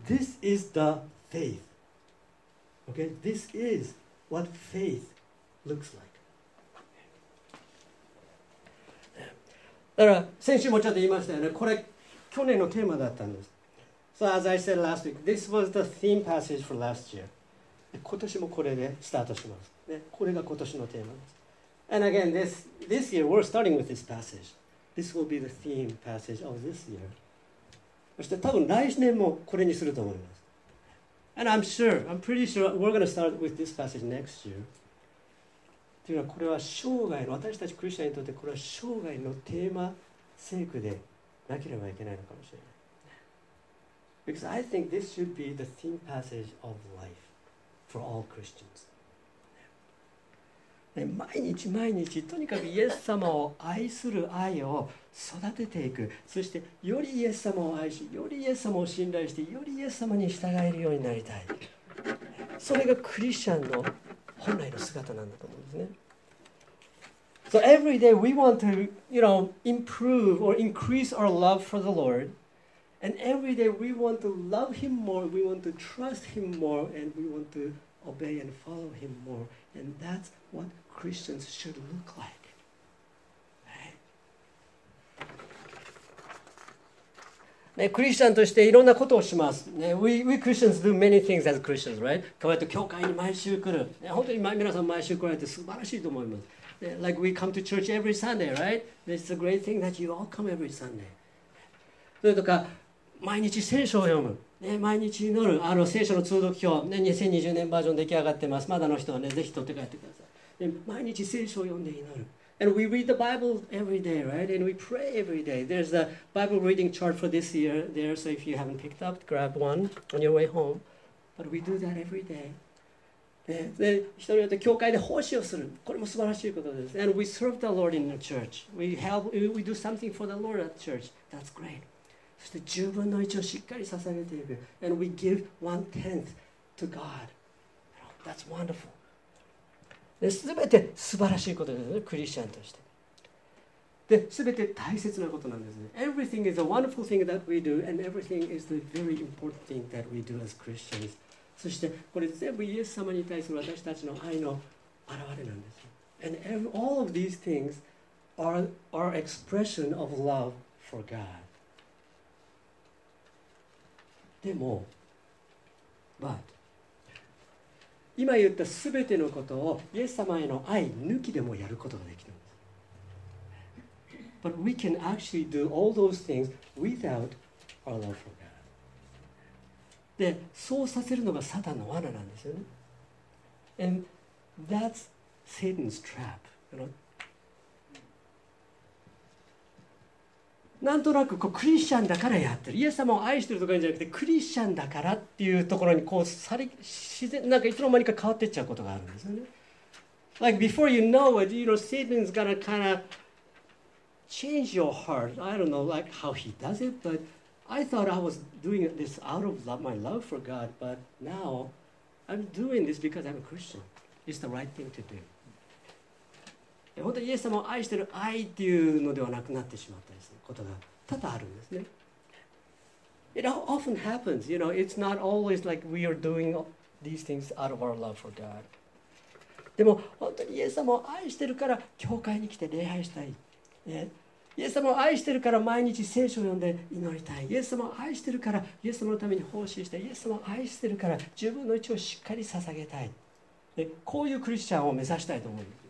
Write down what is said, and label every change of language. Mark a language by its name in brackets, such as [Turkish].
[English] So this is the faith. Okay? This is what faith looks like. [Japanese] だから、先週もちょっと言いましたよね。これ、去年のテーマだったんです。 [English] So as I said last week, this was the theme passage for last year. [Japanese] 今年もこれでスタートします。ね、これが今年のテーマです。 [English] And again, this year we're starting with this passage. This will be the theme passage of this year. [Japanese] そして多分来年もこれにすると思います。 [English] And I'm pretty sure we're going to start with this passage next year. [Japanese] というのはこれは生涯の、私たちクリスチャンにとってこれは生涯のテーマ、聖句でなければいけないのかもしれない。 [English] Because I think this should be the theme passage of life for all Christians. [Japanese] 毎日毎日とにかくイエス様を愛する愛を育てていく、そしてよりイエス様を愛し、よりイエス様を信頼して、よりイエス様に従えるようになりたい。それがクリスチャンの本来の姿なんだと思うんですね。 [English] So every day we want to, you know, improve or increase our love for the Lord. And every day we want to love him more, we want to trust him more, and we want to obey and follow him more. And that's what Christians should look like. Right? [Japanese] クリスチャンとしていろんなことをします。 [English] ね、we Christians do many things as Christians, right? [Japanese] こうやって教会に毎週来る。ね、本当に皆さん毎週来られて素晴らしいと思います。 [English] ね、like we come to church every Sunday, right? It's a great thing that you all come every Sunday. [Japanese] それとか毎日聖書を読む、ね、毎日祈る、あの聖書の通読表、ね、2020年バージョン出来上がってます。まだの人はね、ぜひ取って帰ってください。で毎日聖書を読んで祈る。 [English] And we read the Bible every day, right? And we pray every day. There's a Bible reading chart for this year there, so if you haven't picked up, grab one on your way home. But we do that every day. [Japanese] で人によって教会で奉仕をする。これも素晴らしいことです。 [English] And we serve the Lord in the church. We do something for the Lord at the church. That's great. [Japanese] そして十分の一をしっかり捧げていく。 [English] And we give one tenth to God. That's wonderful. [Japanese] すべて素晴らしいことですね、クリスチャンとして。で、すべて大切なことなんですね。 [English] Everything is a wonderful thing that we do, and everything is the very important thing that we do as Christians. [Japanese] そして、これ全部イエス様に対する私たちの愛の表れなんです。 [English] And all of these things are expression of love for God. [Japanese] でも、But, 今言ったすべてのことをイエス様への愛抜きでもやることができるんです。 [English] But we can actually do all those things without our love for God. [Japanese] で、そうさせるのがサタンの罠なんですよね。 [English] And that's Satan's trap. You know? [Japanese] なんとなくこうクリスチャンだからやってる、イエス様を愛してるとかじゃなくてクリスチャンだからっていうところにこうさり自然なんかいつの間にか変わっていっちゃうことがあるんですよね。 [English] Like before you know it, you know Satan's gonna kind of change your heart. I don't know like how he does it, but I thought I was doing this out of love, my love for God, but now I'm doing this because I'm a Christian. It's the right thing to do. [Japanese] 本当にイエス様を愛してる愛っていうのではなくなってしまったりする。ことが多々あるんですね。 [English] It often happens, you know, it's not always like we are doing these things out of our love for God. [Japanese] でも本当にイエス様を愛してるから教会に来て礼拝したい、ね、イエス様を愛してるから毎日聖書を読んで祈りたい、イエス様を愛してるからイエス様のために奉仕したい、イエス様を愛してるから十分の一をしっかり捧げたい、ね、こういうクリスチャンを目指したいと思う。